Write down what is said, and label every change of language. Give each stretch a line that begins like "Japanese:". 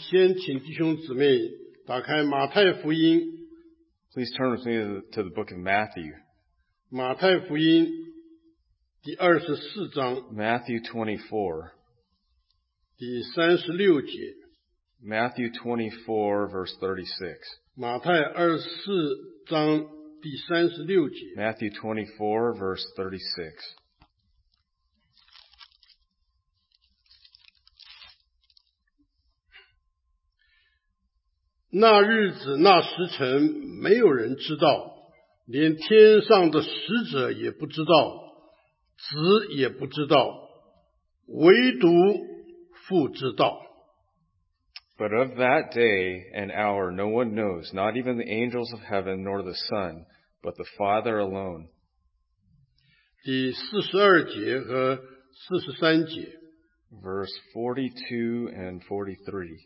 Chinese: 我们先请弟兄姊妹打开马太福音,
English: please turn with me to the book of Matthew.
Chinese: 马太福音第24章,
English: Matthew 24,
Chinese: 第36节,
English: Matthew 24, verse 36.
Chinese: 马太24章第36节.
English: Matthew 24, verse 36.
Chinese: 那日子那时辰没有人知道, 连天上的使者也不知道, 子也不知道, 唯独父知道。
English: But of that day and hour no one knows, not even the angels of heaven nor the Son, but the Father alone.
Chinese: 第42节和43节
English: Verse 42 and 43.